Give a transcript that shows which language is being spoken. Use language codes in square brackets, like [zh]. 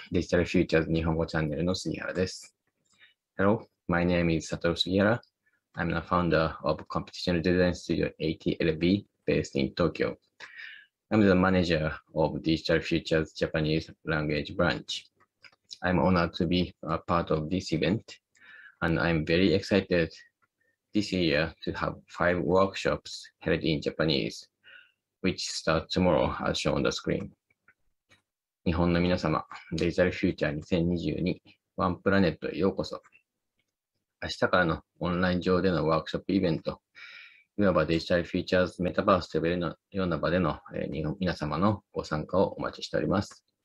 [ja] デジタルフューチャーズ日本語チャンネルの杉原です。 [en] Hello, my name is Satoru Sugihara. I'm the founder of Computational Design Studio ATLB based in Tokyo. I'm the manager of Digital Futures Japanese Language Branch. I'm honored to be a part of this event and I'm very excited this year to have five workshops held in Japanese which starts tomorrow as shown on the screen. [ja] 日本の皆様、デジタルフューチャー2022ワンプラネットへようこそ。明日からのオンライン上でのワークショップイベント、いわばデジタルフューチャーズメタバースと呼べるような場での皆様のご参加をお待ちしております。